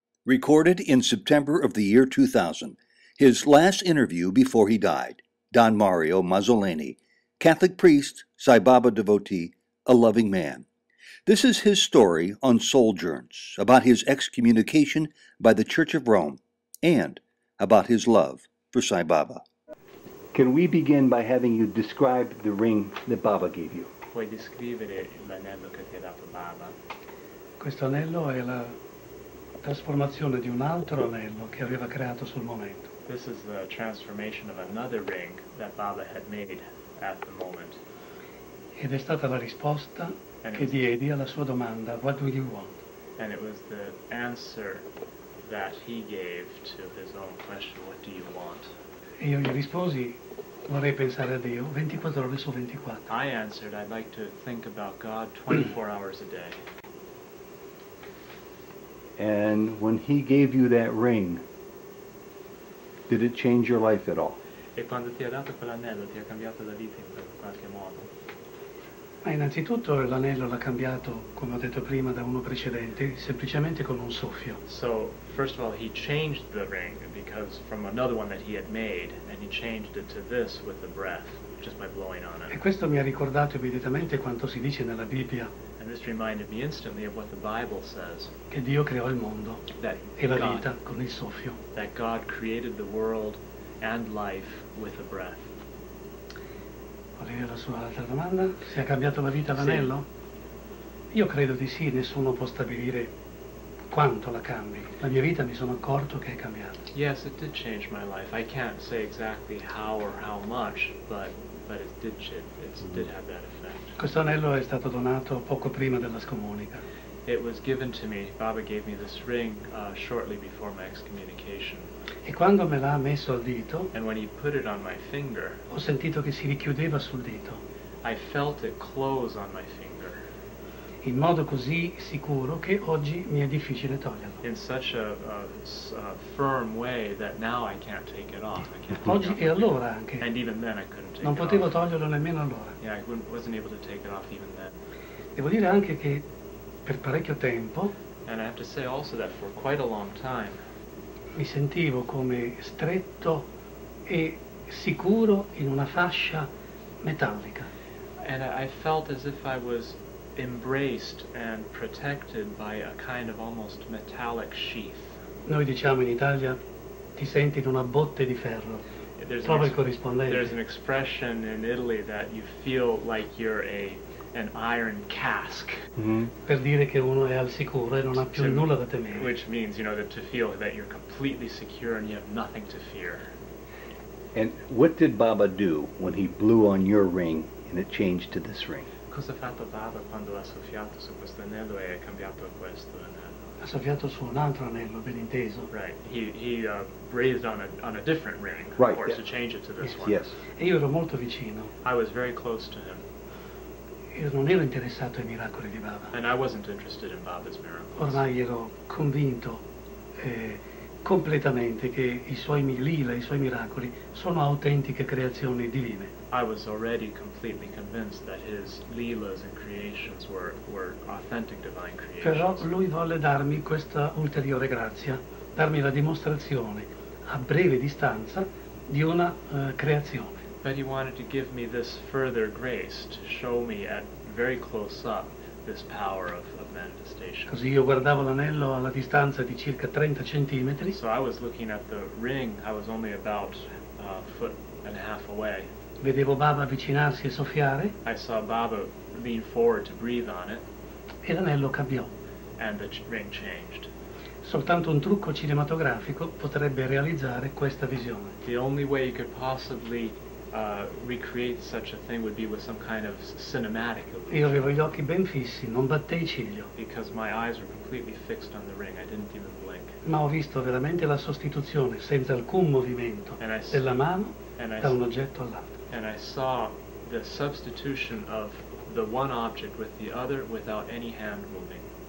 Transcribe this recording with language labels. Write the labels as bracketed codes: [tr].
[en] Recorded in September of the year 2000, his last interview before he died, Don Mario Mazzoleni, Catholic priest, Sai Baba devotee, a loving man. This is his story on Souljourns, about his excommunication by the Church of Rome, and about his love for Sai Baba. Can we begin by having you describe the ring that Baba gave you? [it] Puoi descrivere l'anello che ti ha dato Baba? Questo anello è la trasformazione di un altro anello che aveva creato sul momento. [en] This is the transformation of another ring that Baba had made at the moment. [it] Ed è stata la risposta che diedi alla sua domanda, [en] what do you want? And it was the answer that he gave to his own question, what do you want? [it] E io gli risposi, vorrei pensare a Dio 24 ore su 24. [en] I answered, I'd like to think about God 24 hours a day. And when he gave you that ring, did it change your life at all? [it] E quando ti ha dato quell'anello, ti ha cambiato la vita in qualche modo? Ma innanzitutto l'anello l'ha cambiato, come ho detto prima, da uno precedente, semplicemente con un soffio. [en] So, first of all, he changed the ring because from another one that he had made, and he changed it to this with a breath, just by blowing on it. [it] E questo mi ha ricordato immediatamente quanto si dice nella Bibbia. [en] And this reminded me instantly of what the Bible says. [it] Che Dio creò il mondo e la vita con il soffio. [en] That God created the world and life with a breath. [it] Qual era la sua altra domanda? Se ha cambiato la vita l'anello? Sì. Io credo di sì, nessuno può stabilire quanto la cambi. La mia vita mi sono accorto che è cambiata. [en] Yes, it did change my life. I can't say exactly how or how much, but it did have that effect. [it] Questo anello è stato donato poco prima della scomunica. [en] It was given to me. Baba gave me this ring shortly before my excommunication. [it] E quando me l'ha messo al dito, [en] and when he put it on my finger, [it] ho sentito che si richiudeva sul dito. [en] I felt it close on my finger. [it] In modo così sicuro che oggi mi è difficile toglierlo. [en] In such a firm way that now I can't take it off. [it] Oggi e allora anche. [en] And even then I couldn't take [it] it. Non potevo toglierlo nemmeno allora. [en] Yeah, I wasn't able to take it off even then. [it] Devo dire anche che per parecchio tempo. [en] And I have to say also that for quite a long time. [it] Mi sentivo come stretto e sicuro in una fascia metallica. [en] And I felt as if I was embraced and protected by a kind of almost metallic sheath. [it] Noi diciamo in Italia, ti senti in una botte di ferro. Prova il corrispondente. [en] There's an expression in Italy that you feel like you're an iron cask. Mm-hmm. [it] Per dire che uno è al sicuro e non ha più nulla da temere. [en] Which means, you know, that to feel that you're completely secure and you have nothing to fear. And what did Baba do when he blew on your ring and it changed to this ring? [it] Cosa ha fatto Baba quando ha soffiato su questo anello e ha cambiato questo anello? Ha soffiato su un altro anello, ben inteso. [en] Right. He breathed on a different ring, right, of course, yeah, to change it to this, yes, one. Yes. [it] E io ero molto vicino. [en] I was very close to him. [it] Io non ero interessato ai miracoli di Baba. [en] And I wasn't interested in Baba's miracles. [it] Ormai ero convinto completamente che i suoi lila, i suoi miracoli sono autentiche creazioni divine. [en] I was already completely convinced that his lilas and creations were authentic divine creations. [it] Però lui volle darmi questa ulteriore grazia, darmi la dimostrazione a breve distanza di una creazione. [en] But he wanted to give me this further grace to show me at very close up this power of manifestation. [it] Così io guardavo l'anello alla distanza di circa 30 centimetri. [en] So I was looking at the ring, I was only about a foot and a half away. [it] Vedevo Baba avvicinarsi e soffiare. [en] I saw Baba lean forward to breathe on it. [it] E l'anello cambiò. [en] And the ring changed. [it] Soltanto un trucco cinematografico potrebbe realizzare questa visione. [en] The only way you could possibly recreate such a thing would be with some kind of cinematic illusion. [it] Io avevo gli occhi ben fissi, non battei ciglio. [en] Because my eyes were completely fixed on the ring, I didn't even blink. [it] Ma ho visto veramente la sostituzione, senza alcun movimento, della mano da un oggetto all'altro. [en] And I saw the substitution of the one object with the other without any hand moving.